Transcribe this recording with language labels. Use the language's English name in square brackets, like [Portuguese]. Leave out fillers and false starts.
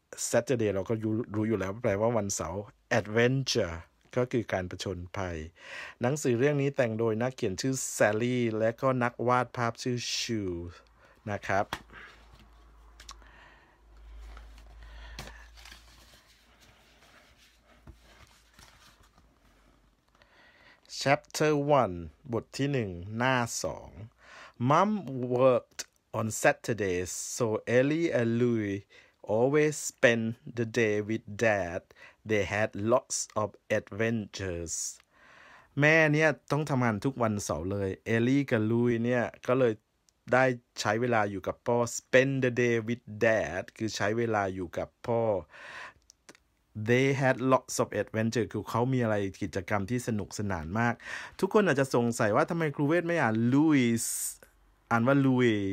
[Thai] Saturday เราก็รู้อยู่แล้วแปลว่าวันเสาร์ Adventure ก็คือการประจนภัยหนังสือเรื่องนี้แต่งโดยนักเขียนชื่อ Sally และก็นักวาดภาพชื่อ Shu นะครับChapter 1, บทที่1, หน้า2. [English] Mom worked on Saturdays, so Ellie and Louis always spent the day with Dad. They had lots of adventures. [Thai] แม่เนี่ยต้องทำงานทุกวันเสาร์เลย.Ellie กับ Louis เนี่ยก็เลยได้ใช้เวลาอยู่กับพ่อ. [English] Spend the day with Dad, [Thai] คือใช้เวลาอยู่กับพ่อ [English] They had lots of adventure [Thai] คือเขามีอะไรกิจกรรมที่สนุกสนานมากทุกคนอาจจะสงสัยว่าทำไมครูเวทไม่อ่านลุยส์อ่านว่าลุย